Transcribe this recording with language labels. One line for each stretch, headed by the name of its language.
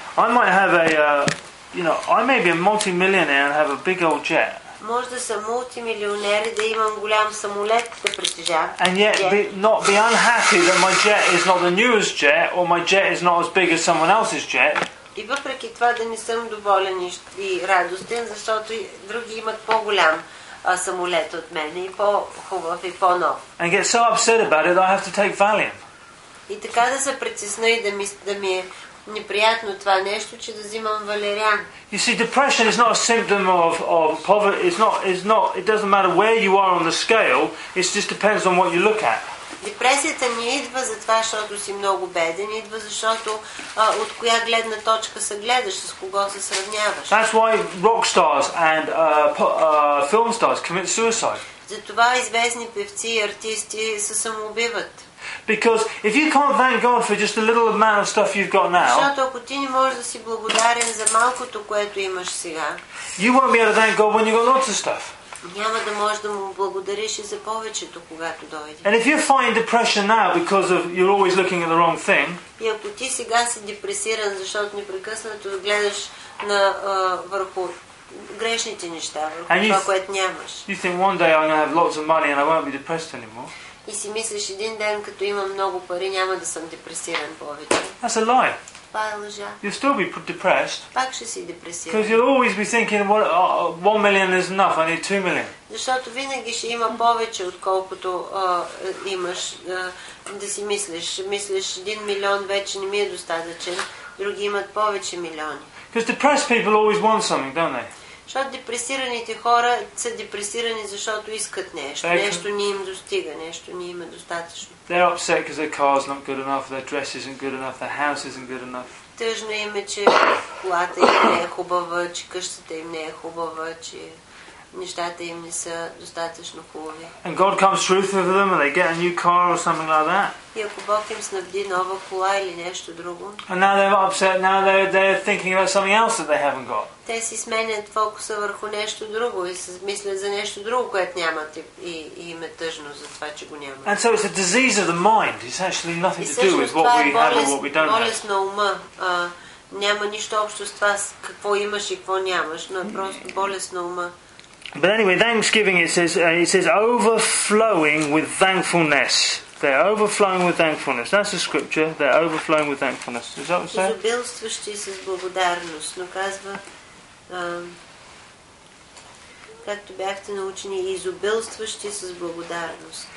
English: I might have I may be a multi-millionaire and have a big old jet.
Bulgarian: Може да съм мултимилионер и да имам голям самолет да притежавам.
English: And yet not be unhappy that my jet is not the newest jet or my jet is not as big as someone else's jet.
Bulgarian: И въпреки това да не съм доволен и радостен, защото други имат по-голям самолет от мен и по-хубав и по-нов.
English: And get so upset about it that I have to take Valium.
Bulgarian: И така да се притесна и да ми е неприятно това нещо, че да взимам валериан.
English: You see, depression is not a symptom of poverty. It's not. It doesn't matter where you are on the scale. It just depends on what you look at.
Bulgarian: Депресията не идва за това, защото си много беден, идва защото от коя гледна точка се гледаш, с кого се сравняваш.
English: That's why rock stars and film stars commit suicide.
Bulgarian: Затова известни певци и артисти се самоубиват.
English: Because if you can't thank God for just a little amount of stuff you've got now,
Bulgarian: защото ако ти не можеш да си благодарен за малкото, което имаш сега,
English: you won't be able to thank God when you've got lots of stuff.
Bulgarian: Няма да можеш да му благодариш и за повечето, когато дойде.
English: And if you're fighting depression now because of you're always looking at the wrong thing,
Bulgarian: и ако ти сега си депресиран, защото непрекъснато гледаш на върху грешните неща, върху това, което нямаш.
English: You think one day I'm going to have lots of money and I won't be depressed anymore.
Bulgarian: И си мислиш един ден, като имам много пари, няма да съм депресиран повече.
English: That's a lie. You'll still be depressed.
Bulgarian: Пак ще си депресиран.
English: Because you'll always be thinking, $1 million is enough. I need $2 million.
Bulgarian: Защото винаги ще има повече отколкото имаш да си мислиш. Мислиш 1 милион вече не ми е достатъчен. Други имат повече милиони.
English: Because depressed people always want something, don't they?
Bulgarian: Защото депресираните хора са депресирани, защото искат нещо. Нещо не им достига, нещо не им е достатъчно.
English: They're upset because their car's not good enough, their dress isn't good enough, their house isn't good enough.
Bulgarian: Тъжно им е, че колата им не е хубава, че къщата им не е хубава, че нещата им не са достатъчно хубави.
English: And God comes through for them and they get a new car or something like that.
Bulgarian: И ако Бог им снабди нова кола или нещо друго.
English: And now they're upset, now they're thinking about something else that they haven't got.
Bulgarian: Те си сменят фокуса върху нещо друго и се мислят за нещо друго, което нямат и им е тъжно за това, че го нямат.
English: And so it's a disease of the mind. It's actually nothing to do with what we have or what we don't have.
Bulgarian: Болест на ума. Няма нищо общо с това какво имаш и какво нямаш, но е просто болест на ума.
English: But anyway, thanksgiving, it says overflowing with thankfulness. They're overflowing with thankfulness. That's the scripture. They're overflowing with thankfulness. Is that what it says?
Bulgarian: Изобилстващи с благодарност. Но казва, както бяхте научени, изобилстващи с благодарност.